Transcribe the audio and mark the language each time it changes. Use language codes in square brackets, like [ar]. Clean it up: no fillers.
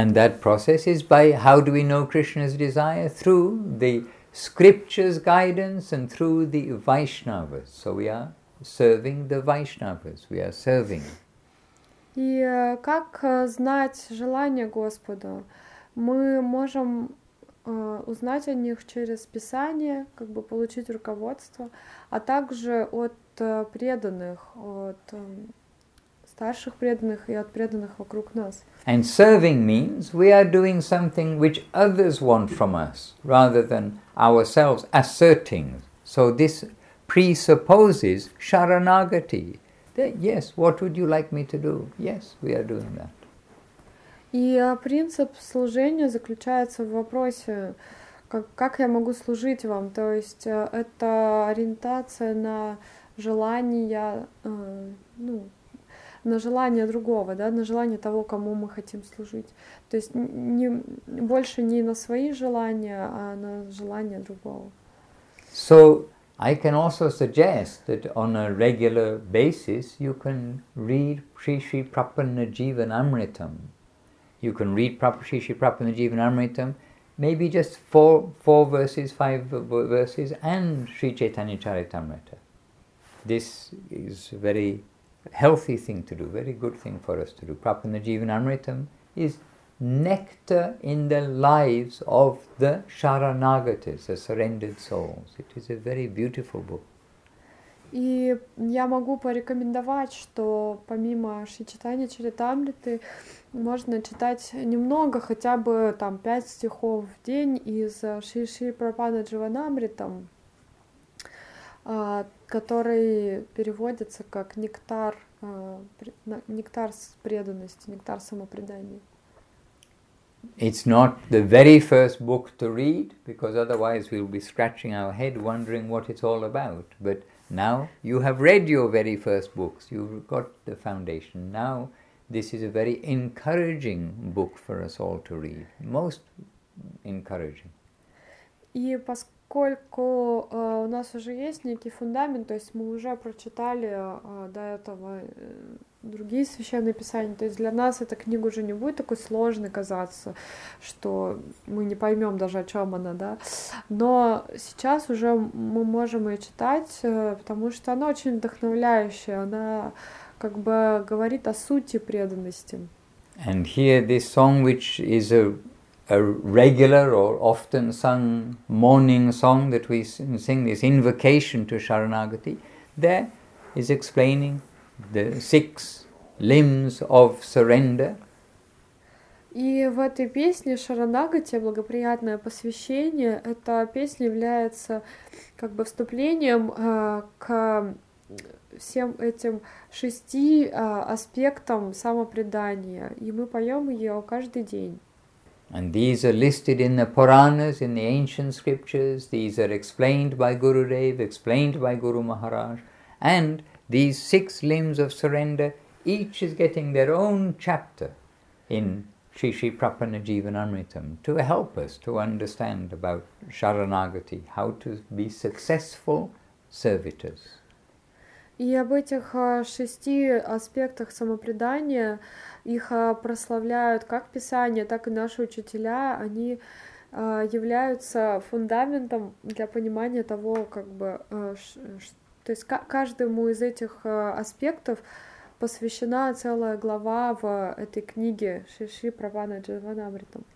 [en] And that process is by, how do we know Krishna's desire? Through the scriptures guidance and through the Vaishnavas. So we are serving the Vaishnavas, we are serving. [ru] И как знать желание Господа? Мы можем узнать о них через Писание, как бы получить руководство, а также от преданных, от старших преданных и от преданных вокруг нас. [en] And serving means we are doing something which others want from us, rather than ourselves asserting. So this presupposes Sharanagati. Yes, what would you like me to do? Yes, we are doing that. [ru] И принцип служения заключается в вопросе, как я могу служить вам? То есть это ориентация на желание, ну, на желание другого, да, на желание того, кому мы хотим служить. То есть не, больше не на свои желания, а на желание другого. [en] So I can also suggest that on a regular basis you can read Sri Sri Prapanna Jivanamritam. You can read Sri Sri Prapanna Jivanamritam, maybe just four verses, five verses, and Sri Chaitanya Charitamrita. This is a very healthy thing to do, very good thing for us to do. Prapanna Jivanamritam is nectar in the lives of the Sharanagatis, the surrendered souls. It is a very beautiful book. [ru] И я могу порекомендовать, что помимо Шри Чайтаньи Чаритамриты можно читать немного, хотя бы там 5 стихов в день из Шри Шри Прапанны Дживанамритам, который переводится как нектар, нектар преданности, нектар самопредания. [en] It's not the very first book to read, because otherwise we'll be scratching our head wondering what it's all about. But now you have read your very first books, you've got the foundation. Now this is a very encouraging book for us all to read, most encouraging. [ru] И поскольку у нас уже есть некий фундамент, то есть мы уже прочитали до этого другие священные писания, то есть для нас эта книга уже не будет такой сложной казаться, что мы не поймем даже, о чем она, да. Но сейчас уже мы можем ее читать, потому что она очень вдохновляющая, она как бы говорит о сути преданности. [en] And here this song, which is a regular or often sung morning song that we sing, this invocation to Sharanagati, there is explaining the six limbs of surrender. [ru] И в этой песне Шаранагати, благоприятное посвящение, эта песня является как бы вступлением к всем этим шести аспектам самопредания. И мы поем ее каждый день. [en] And these are listed in the Puranas, in the ancient scriptures. These are explained by Guru Dev, explained by Guru Maharaj. And these six limbs of surrender, each is getting their own chapter in Sri Sri Prapanna Jivanamritam to help us to understand about Sharanagati, how to be successful servitors. [ru] И об этих шести аспектах самопредания их прославляют как Писание, так и наши учителя. Они являются фундаментом для понимания того, как бы, то есть каждому из этих аспектов посвящена целая глава в этой книге Шри Шри Прабхупада Джаванамритам.